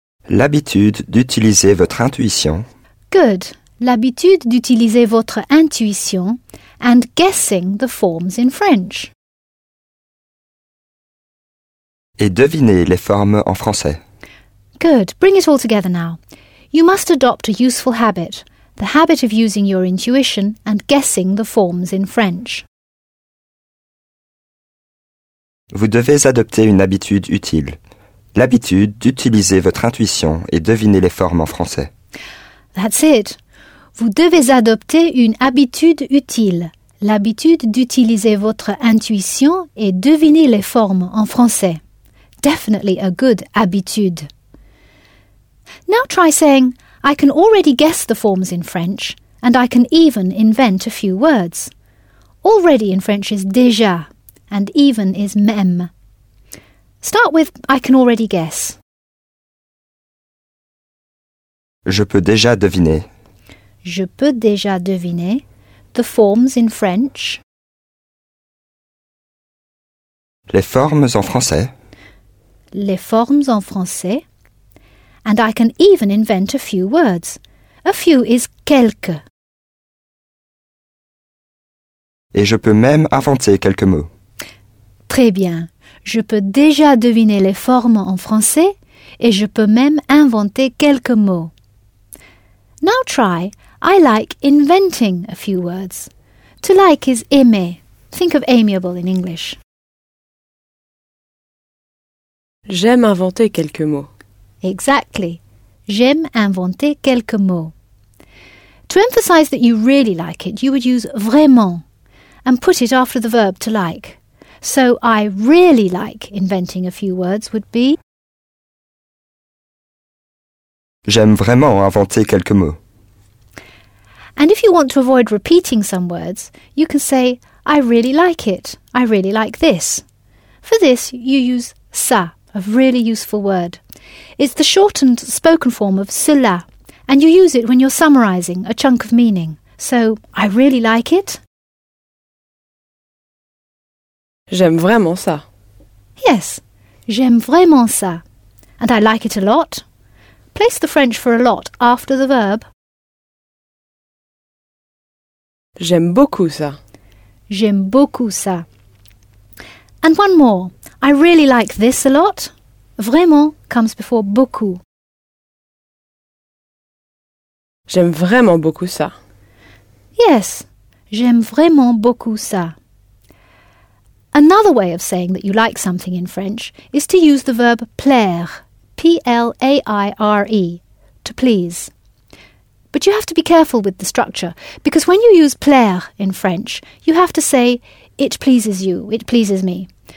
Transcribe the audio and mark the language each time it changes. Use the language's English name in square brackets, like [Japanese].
[French] L'habitude d'utiliser votre intuition. [English] Good. [French] L'habitude d'utiliser votre intuition [English] and guessing the forms in French. [French] Et deviner les formes en français. [English] Good. Bring it all together now. You must adopt a useful habit, the habit of using your intuition and guessing the forms in French. [French] Vous devez adopter une habitude utile, l'habitude d'utiliser votre intuition et deviner les formes en français. [English] That's it. [French] Vous devez adopter une habitude utile, l'habitude d'utiliser votre intuition et deviner les formes en français. [English] Definitely a good habitude. Now try saying, I can already guess the forms in French, and I can even invent a few words. Already in French is déjà, and even is même. Start with, I can already guess. [French] Je peux déjà deviner. Je peux déjà deviner [English] the forms in French. [French] Les formes en français. Les formes en français. [English] And I can even invent a few words. A few is quelques. [French] Et je peux même inventer quelques mots. Très bien. Je peux déjà deviner les formes en français et je peux même inventer quelques mots. [English] Now try, I like inventing a few words. To like is aimer. Think of amiable in English. [French] J'aime inventer quelques mots. [English] Exactly. [French] J'aime inventer quelques mots. [English] To emphasize that you really like it, you would use vraiment and put it after the verb to like. So I really like inventing a few words would be [French] j'aime vraiment inventer quelques mots. [English] And if you want to avoid repeating some words, you can say I really like it, I really like this. For this, you use ça, a really useful word. It's the shortened spoken form of cela, and you use it when you're summarizing a chunk of meaning. So, I really like it. [French] J'aime vraiment ça. [English] Yes, [French] J'aime vraiment ça. [English] And I like it a lot. Place the French for a lot after the verb. [French] J'aime beaucoup ça. J'aime beaucoup ça. [English] And one more. I really like this a lot. Vraiment comes before beaucoup. [French] J'aime vraiment beaucoup ça. Yes, j'aime vraiment beaucoup ça. [English] Another way of saying that you like something in French is to use the verb plaire, P-L-A-I-R-E, to please. But you have to be careful with the structure, because when you use plaire in French, you have to say, it pleases you, it pleases me.